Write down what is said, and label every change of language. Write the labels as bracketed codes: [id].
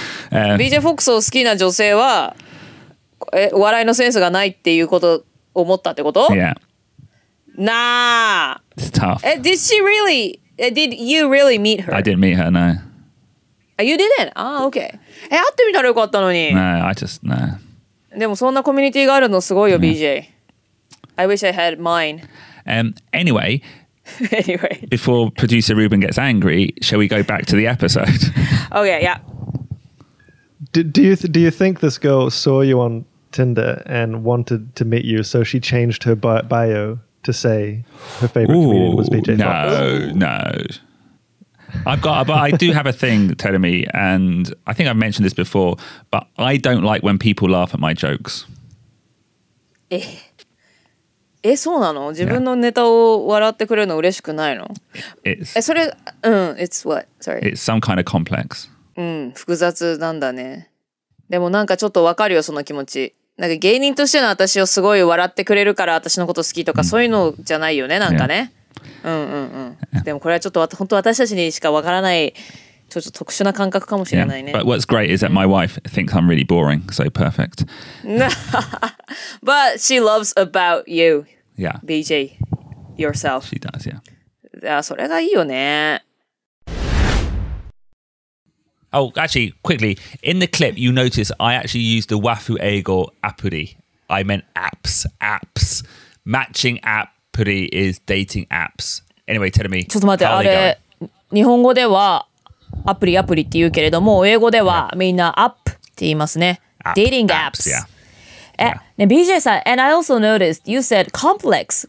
[ja] BJ Fox を好きな女性は笑いのセンスがないっていうことを思ったってこと [en] Yeah. Nah. It's tough. Did she really, did you really meet her? I didn't meet her, no. You didn't? Ah, okay. [ja] 会ってみたらよかったのに。 [en] No, I just, no. [ja] でもそんなコミュニティがあるのすごいよ、BJ. [en] I wish I had mine. Anyway, Anyway. Before producer Ruben gets angry, shall we go back to the episode? Okay, yeah. Do you think this girl saw you on Tinder and wanted to meet you, so she changed her bio to say her favorite comedian was BJ Fox? No, no. But I do have a thing telling me, and I think I've mentioned this before, but I don't like when people laugh at my jokes. [ja] そうなの? 自分のネタを笑ってくれるの嬉しくないの? [en] It's, それ、うん、it's what? Sorry. It's some kind of complex. [ja] うん、複雑なんだね。でもなんかちょっとわかるよ、その気持ち。なんか芸人としての私をすごい笑ってくれるから私のこと好きとか、そういうのじゃないよね、なんかね。 Yeah. うんうんうん。でもこれはちょっと本当私たちにしかわからない、ちょっと特殊な感覚かもしれないね。 [en] Yeah. But what's great is that my wife thinks I'm really boring, so perfect. But she loves about you. Yeah. BJ, yourself. She does, yeah. [ja] Yeah, それがいいよね。 [en] Oh, actually, quickly, in the clip, you notice I actually used the Wafu Eigo Apuri. I meant apps. Matching Apuri is dating apps. Anyway, tell me. [ja] ちょっと待って、あれ、日本語ではアプリって言うけれども、英語ではみんなアップって言いますね。 [en] Dating apps. Yeah. Yeah. BJ さん、and I also noticed you said complex.